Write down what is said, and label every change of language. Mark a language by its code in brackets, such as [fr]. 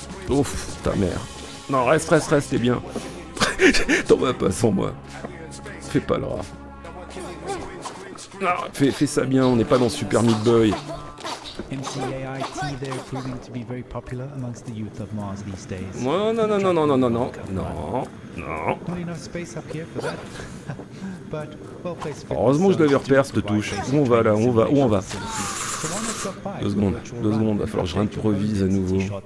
[fr] Ouf, ta mère. Non, reste, t'es bien. T'en vas pas sans moi. Fais pas le rat. Non, fais ça bien, on n'est pas dans Super Meat Boy. [en] MCAIT, they're proving to be very popular amongst the youth of Mars these days. [fr] Heureusement, je l'avais repéré, cette touche. Où on va? Deux secondes, va falloir que je improvise à nouveau.